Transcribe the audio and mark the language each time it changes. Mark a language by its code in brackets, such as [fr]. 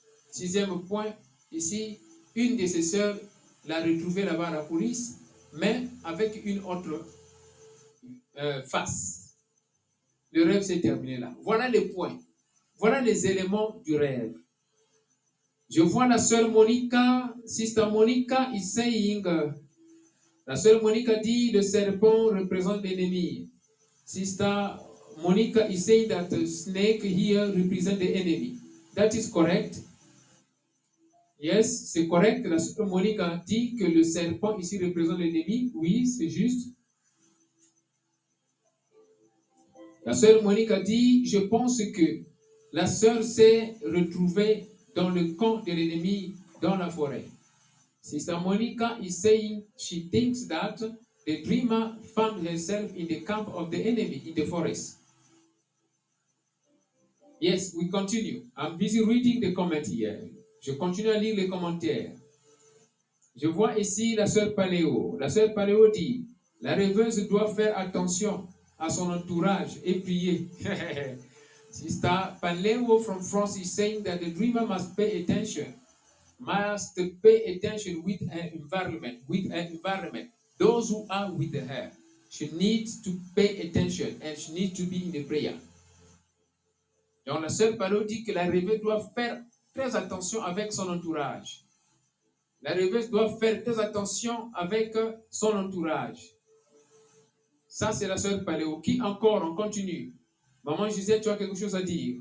[fr] Sixième point, ici, une de ses sœurs l'a retrouvée là-bas à la police, mais avec une autre face. Le rêve s'est terminé là. Voilà les points. Voilà les éléments du rêve. Je vois la sœur Monica, [en] sister Monica is saying. [fr] La sœur Monica dit le serpent représente l'ennemi. [en] Sister Monica is saying that the snake here represents the enemy. That is correct. Yes, [fr] c'est correct. La sœur Monica dit que le serpent ici représente l'ennemi. Oui, c'est juste. La sœur Monique a dit, je pense que la sœur s'est retrouvée dans le camp de l'ennemi dans la forêt. [en] Sister Monica is saying she thinks that the dreamer found herself in the camp of the enemy in the forest. Yes, we continue. I'm busy reading the comment here. [fr] Je continue à lire les commentaires. Je vois ici la sœur Paléo. La sœur Paléo dit, la rêveuse doit faire attention à son entourage et prier. [en] Sister Paleo from France is saying that the dreamer must pay attention with her environment. With her environment, those who are with her, she needs to pay attention and she needs to be in the prayer. [fr] Donc la sœur Paleo dit que la rêveuse doit faire très attention avec son entourage. La rêveuse doit faire très attention avec son entourage. Ça, c'est la sœur Paléo. Qui encore? On continue. Maman Gisèle, tu as quelque chose à dire?